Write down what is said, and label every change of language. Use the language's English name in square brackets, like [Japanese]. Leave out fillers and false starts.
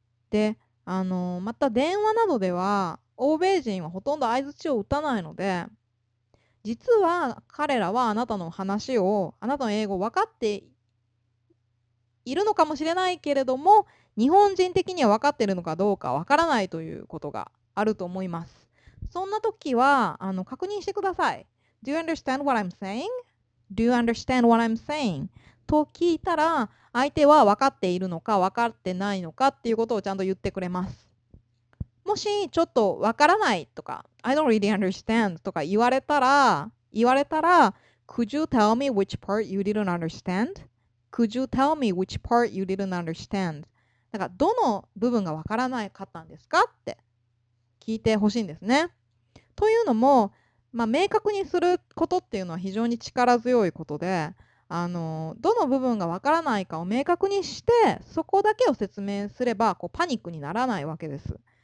[Japanese] で、また電話などでは欧米人はほとんど相槌を打たないので、実は彼らはあなたの話を、あなたの英語を分かっているのかもしれないけれども、日本人的には分かっているのかどうか分からないということがあると思います。そんな時は確認してください。 [English] Do you understand what I'm saying? Do you understand what I'm saying? [Japanese] と聞いたら、相手は分かっているのか分かってないのかっていうことをちゃんと言ってくれます。もしちょっと分からないとか、 [English] I don't really understand [Japanese] とか言われたら、 [English] Could you tell me which part you didn't understand? Could you tell me which part you didn't understand? [Japanese] だから、どの部分が分からなかったんですかって聞いてほしいんですね。というのも、まあ、明確にすることっていうのは非常に力強いことで、どの部分が分からないかを明確にして、そこだけを説明すれば、こうパニックにならないわけです。